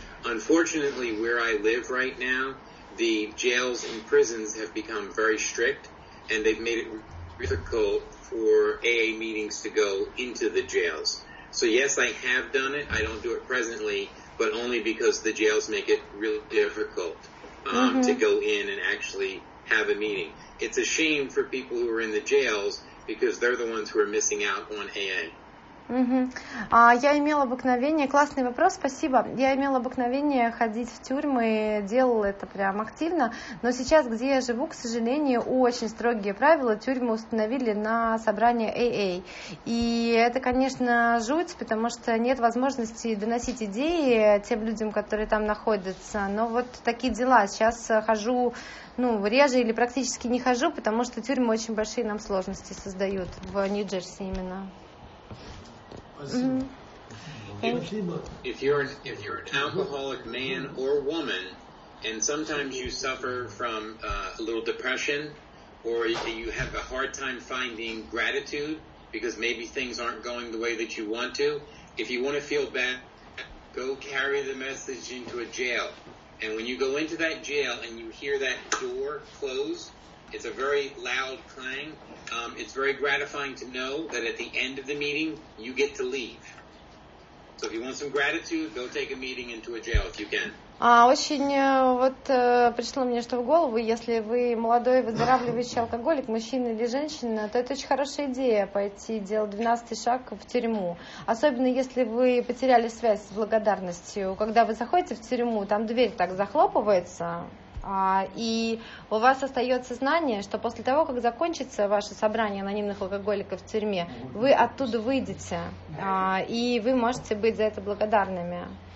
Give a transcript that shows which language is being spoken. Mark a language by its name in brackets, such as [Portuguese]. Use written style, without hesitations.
[English] Unfortunately, where I live right now, the jails and prisons have become very strict, and they've made it difficult for AA meetings to go into the jails. So yes, I have done it. I don't do it presently, but only because the jails make it really difficult to go in and actually have a meeting. It's a shame for people who are in the jails, because they're the ones who are missing out on AA. [Russian] Я имела обыкновение, классный вопрос, спасибо. Я имела обыкновение ходить в тюрьмы, делала это прям активно, но сейчас, где я живу, к сожалению, очень строгие правила, тюрьмы установили на собрание AA. И это, конечно, жуть, потому что нет возможности доносить идеи тем людям, которые там находятся, но вот такие дела. Сейчас хожу, ну, реже или практически не хожу, потому что тюрьмы очень большие нам сложности создают, в Нью-Джерси именно. [English] If you're an alcoholic man or woman, and sometimes you suffer from a little depression, or you have a hard time finding gratitude because maybe things aren't going the way that you want to, if you want to feel bad, go carry the message into a jail. And when you go into that jail and you hear that door close, it's a very loud clang. It's very gratifying to know that at the end of the meeting, you get to leave. So if you want some gratitude, go take a meeting into a jail if you can. [Russian] Пришло мне что в голову, если вы молодой выздоравливающий алкоголик, мужчина или женщина, то это очень хорошая идея пойти делать 12-й шаг в тюрьму. Особенно если вы потеряли связь с благодарностью. Когда вы заходите в тюрьму, там дверь так захлопывается, и у вас остается знание, что после того, как закончится ваше собрание анонимных алкоголиков в тюрьме, вы оттуда выйдете, и вы можете быть за это благодарными.